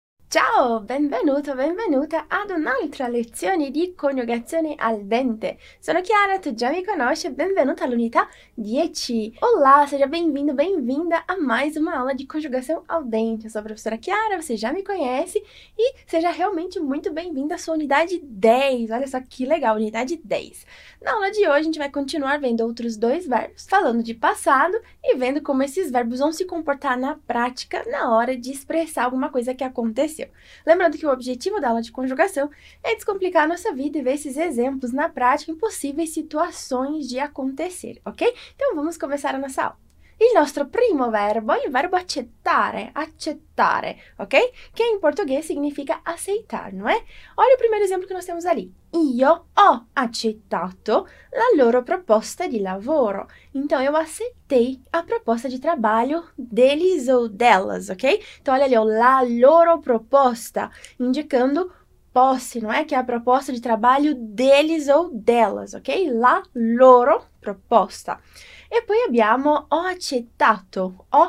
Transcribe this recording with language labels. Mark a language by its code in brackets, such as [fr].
[it] Ciao, benvenuto, benvenuta ad un'altra lezione di coniugazione al dente. Sono Chiara, tu già mi conosci, benvenuta all'unità 10. [pt] Olá, seja bem-vindo, bem-vinda a mais uma aula de coniugação al dente. Eu sou a professora Chiara, você já me conhece e seja realmente muito bem-vinda à sua unidade 10. Olha só que legal, unidade 10. Na aula de hoje, a gente vai continuar vendo outros dois verbos, falando de passado e vendo como esses verbos vão se comportar na prática na hora de expressar alguma coisa que aconteceu. Lembrando que o objetivo da aula de conjugação é descomplicar a nossa vida e ver esses exemplos na prática em possíveis situações de acontecer, ok? Então vamos começar a nossa aula. [it] Il nostro primo verbo è il verbo accettare, accettare, ok? Che [pt] in português significa aceitar, não é? Olha o primeiro [it] esempio che noi [pt] temos ali. [it] Io ho accettato la loro proposta di lavoro. [pt] Então, eu aceitei a proposta di trabalho deles ou delas, ok? Então, olha ali, ó, [it] la loro proposta, [pt] indicando posse, não é? Que é a proposta di trabalho deles ou delas, ok? [it] La loro proposta. E poi abbiamo ho accettato.